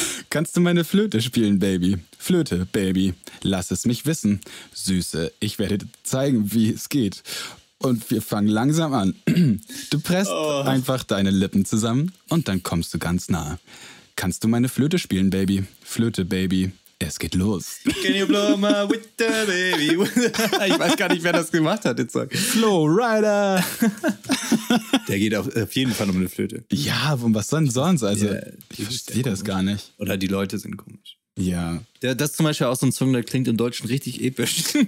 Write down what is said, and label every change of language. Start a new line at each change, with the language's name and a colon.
German: Kannst du meine Flöte spielen, Baby? Flöte, Baby, lass es mich wissen. Süße, ich werde dir zeigen, wie es geht. Und wir fangen langsam an. Du presst einfach deine Lippen zusammen und dann kommst du ganz nah. Kannst du meine Flöte spielen, Baby? Flöte, Baby, es geht los.
English: Can you blow my whistle, baby?
German: Ich weiß gar nicht, wer das gemacht hat, den Song. Flo Rida. Der geht auf jeden Fall um eine Flöte. Ja, um was denn sonst? Also, ich verstehe das gar nicht. Oder die Leute sind komisch. Ja. Das ist zum Beispiel auch so ein Song, der klingt im Deutschen richtig episch.